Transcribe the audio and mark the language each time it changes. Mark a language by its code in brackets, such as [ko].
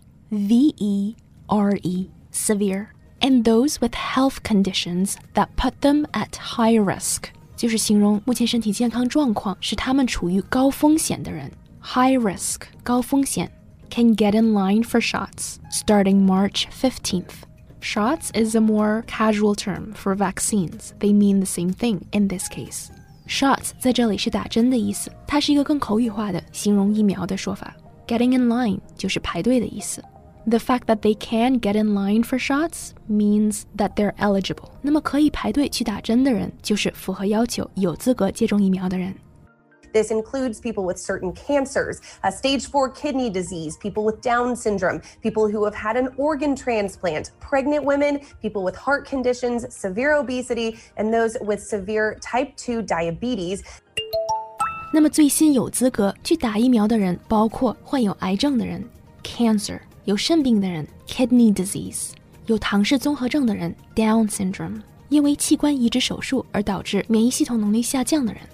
[en] S-E-V-E-R-E, severe. And those with health conditions that put them at high risk. [zh] 就是形容目前身体健康状况使他们处于高风险的人 [en] High risk [zh] 高风险 [en] Can get in line for shots starting March 15th Shots is a more casual term for vaccines They mean the same thing in this case [zh] Shots 在这里是打针的意思它是一个更口语化的形容疫苗的说法 [en] Getting in line [zh] 就是排队的意思 [en] The fact that they can get in line for shots means that they're eligible. [zh] 那么可以排队去打针的人就是符合要求有资格接种疫苗的人。 [en] This includes people with certain cancers, a stage 4 kidney disease, people with Down syndrome, people who have had an organ transplant, pregnant women, people with heart conditions, severe obesity, and those with severe type 2 diabetes. [zh] 那么最新有资格去打疫苗的人包括患有癌症的人 [en] cancer. [zh] 有肾病的人 [en] kidney disease [zh] 有唐氏综合症的人 [en] Down syndrome [zh] 因为器官移植手术而导致免疫系统能力下降的人